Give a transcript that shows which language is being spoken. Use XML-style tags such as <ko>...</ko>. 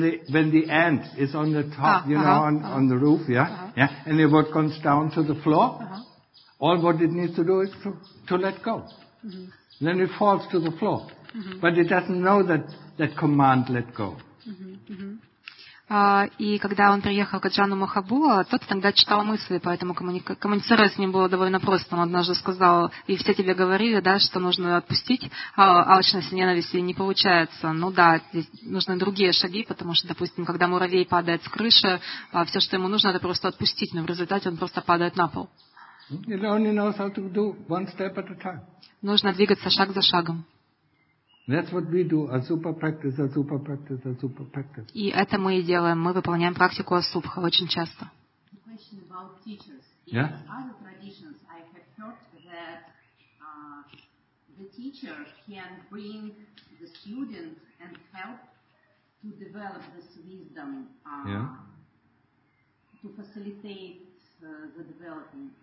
<en>When the ant is on the top, on the roof, yeah, uh-huh. Yeah, and the wood comes down to the floor, uh-huh. All what it needs to do is to let go. Mm-hmm. Then it falls to the floor, mm-hmm. But it doesn't know that command, let go.</en> <ru>И когда он приехал к Аджану Махабуа, тот тогда читал мысли, поэтому коммуницировать с ним было довольно просто. Он однажды сказал, и все тебе говорили, да, что нужно отпустить алчность и ненависть, и не получается. Ну да, здесь нужны другие шаги, потому что, допустим, когда муравей падает с крыши, все, что ему нужно, это просто отпустить, но в результате он просто падает на пол. Нужно двигаться шаг за шагом.</ru> <en>That's what we do, a super practice, a super practice, a super practice.</en> <ru>И это мы и делаем. Мы выполняем практику Асупха очень часто.</ru> <en>Question about teachers. In other traditions, I have heard that the teacher can bring the student and help to develop this wisdom, to facilitate the development.</en>